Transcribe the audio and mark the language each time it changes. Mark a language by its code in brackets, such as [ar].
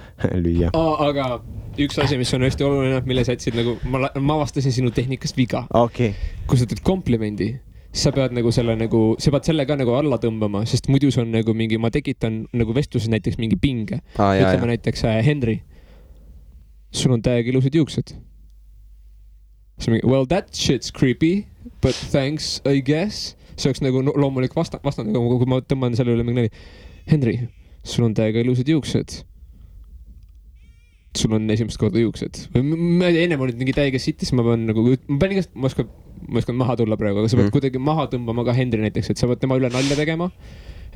[et] Aga üks asi , mis on hästi oluline , mille sa jätsid nagu , ma avastasin sinu tehnikast viga . Okei. Kui sa teed komplimendi , sa pead nagu selle nagu , sa pead selle ka nagu alla tõmbama , sest muidu see on nagu mingi , ma tekitan nagu vestluses näiteks mingi pinge . Ütleme näiteks Henry , sul on täiega ilusad juuksed . See on mingi [en] , well that shit's creepy , but thanks , I guess . [et] See oleks nagu loomulik vastand , aga kui ma tõmban selle üle mingi nali . Henry , sul on täiega ilusad juuksed . Sul on esimest korda juuksed . Ennem olid mingi täiega sitt , siis ma pean nagu , ma oskan maha tulla praegu , aga sa pead kuidagi maha tõmbama ka Henry näiteks , et sa pead tema üle nalja tegema .